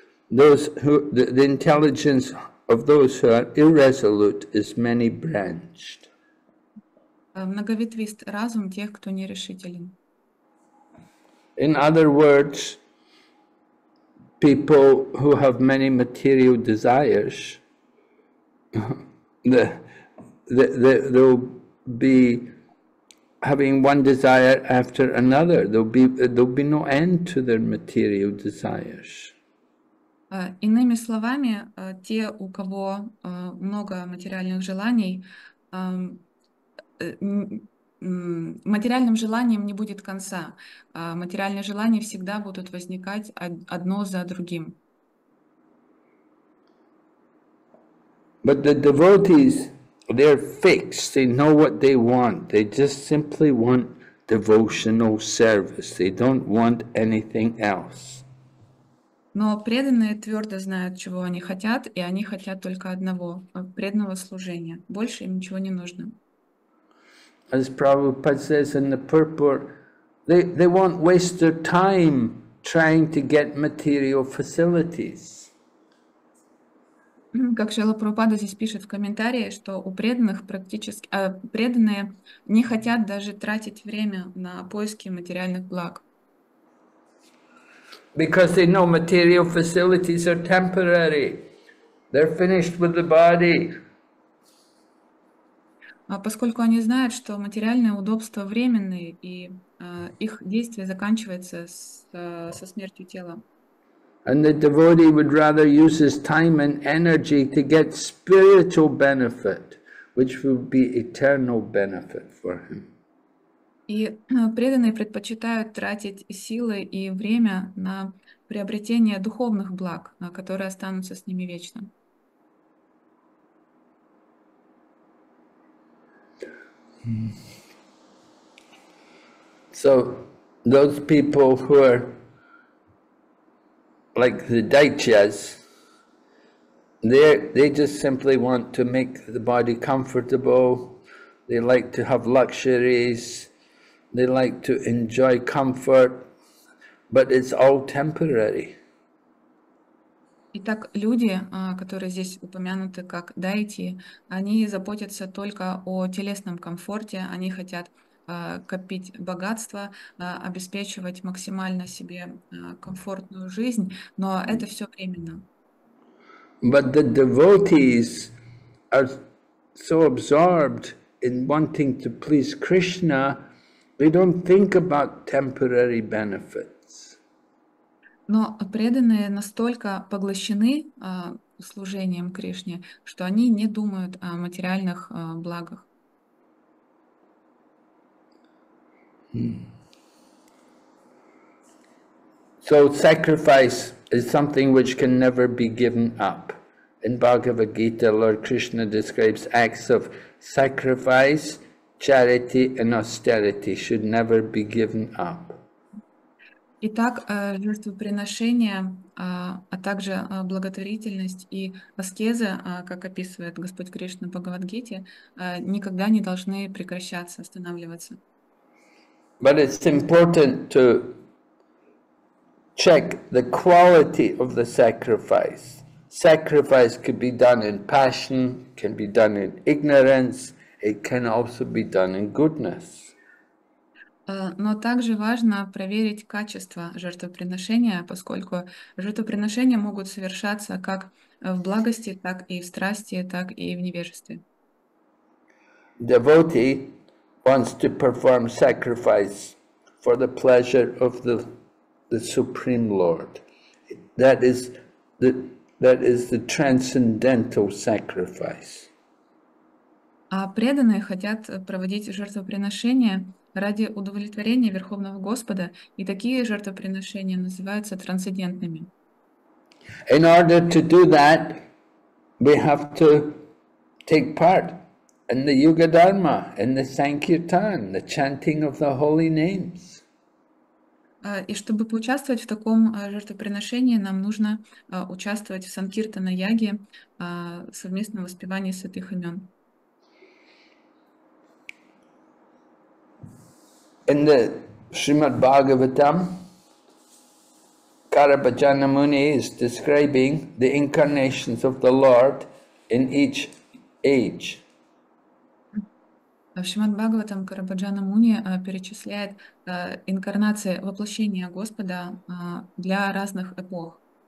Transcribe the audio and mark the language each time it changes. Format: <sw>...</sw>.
<en>Those who the intelligence of those who are irresolute is many branched.</en> <ru>Многоветвист разум тех, кто нерешителен.</ru> <en>In other words, people who have many material desires, they will be having one desire after another. There'll be no end to their material desires.</en> <ru>Иными словами, те, у кого много материальных желаний, материальным желанием не будет конца. Материальные желания всегда будут возникать одно за другим.</ru> <en>But the devotees, they're fixed. They know what they want. They just simply want devotional service. They don't want anything else.</en> <ru>Но преданные твердо знают, чего они хотят, и они хотят только одного — преданного служения. Больше им ничего не нужно.</ru> <en>As Prabhupada says in the purport, they won't waste their time trying to get material facilities.</en> <ru>Как Шрила Прабхупада здесь пишет в комментарии, что у преданных практически преданные не хотят даже тратить время на поиски материальных благ.</ru> <en>Because they know material facilities are temporary. They're finished with the body.</en> <ru>Поскольку они знают, что материальные удобства временные, и их действие заканчивается со смертью тела.</ru> <en>And the devotee would rather use his time and energy to get spiritual benefit, which would be eternal benefit for him.</en> <ru>И преданные предпочитают тратить силы и время на приобретение духовных благ, которые останутся с ними вечно.</ru> <en>So those people who are like the daityas, they just simply want to make the body comfortable. They like to have luxuries. They like to enjoy comfort, but it's all temporary.</en> <ru>Итак, люди, которые здесь упомянуты как дайти, они заботятся только о телесном комфорте, они хотят копить богатство, обеспечивать максимально себе комфортную жизнь, но это все временно.</ru> <en>But the devotees are so absorbed in wanting to please Krishna. They don't think about temporary benefits.</en> <ru>Но преданные настолько поглощены служением Кришне, что они не думают о материальных благах.</ru> <en>So sacrifice is something which can never be given up. In Bhagavad Gita, Lord Krishna describes acts of sacrifice. Charity and austerity should never be given up.</en> <ru>Итак, жертвоприношение, а также благотворительность и аскеза, как описывает Господь Кришна в Бхагавад-гите, никогда не должны прекращаться, останавливаться.</ru> <en>But it's important to check the quality of the sacrifice. Sacrifice could be done in passion, can be done in ignorance. It can also be done in goodness.</en> <ru>Но также важно проверить качество жертвоприношения, поскольку жертвоприношения могут совершаться как в благости, так и в страсти, так и в невежестве.</ru> <en>Devotee wants to perform sacrifice for the pleasure of the Supreme Lord. That is the That is the transcendental sacrifice.</en> <ru>А преданные хотят проводить жертвоприношения ради удовлетворения Верховного Господа, и такие жертвоприношения называются трансцендентными.</ru> <en>In order to do that, we have to take part in the Yuga Dharma, in the Sankirtan, the chanting of the holy names.</en> <ru>И чтобы поучаствовать в таком жертвоприношении, нам нужно участвовать в санкиртана-яге, совместном воспевании святых имен.</ru> <en>In the Srimad Bhagavatam, Karabajana Muni is describing the incarnations of the Lord in each age.</en> <ru>В Шримад-Бхагаватам Карабаджана Муни перечисляет инкарнации воплощения Господа для разных эпох.</ru>